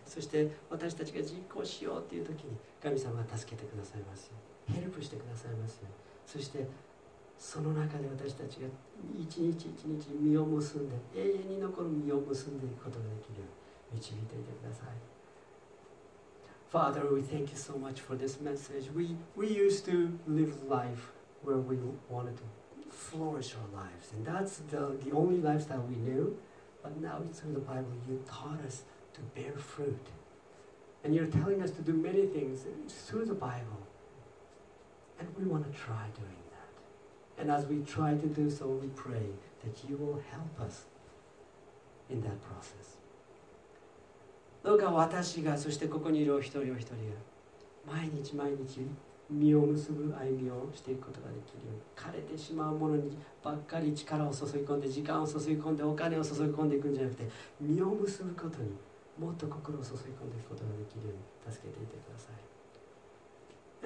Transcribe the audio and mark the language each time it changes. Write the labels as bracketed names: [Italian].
[Japanese] そして私たちが実行しようという時に、神様は助けてくださいますよ。ヘルプしてくださいますよ。そしてその中で私たちが一日一日実を結んで、永遠に残る実を結んでいくことができるように導いていてください。 [English] Father, we thank you so much for this message. We used to live life where we wanted to flourish our lives. And that's the only lifestyle we knew. But now through the Bible, you taught us to bear fruit. And you're telling us to do many things through the Bible. And we want to try doing that. And as we try to do so, we pray that you will help us in that process. [Japanese] どうか私が、そしてここにいるお一人お一人が、毎日毎日実を結ぶ歩みをしていくことができるように、枯れてしまうものにばっかり力を注ぎ込んで、時間を注ぎ込んで、お金を注ぎ込んでいくんじゃなくて、実を結ぶことにもっと心を注ぎ込んでいくことができるように助けていてください。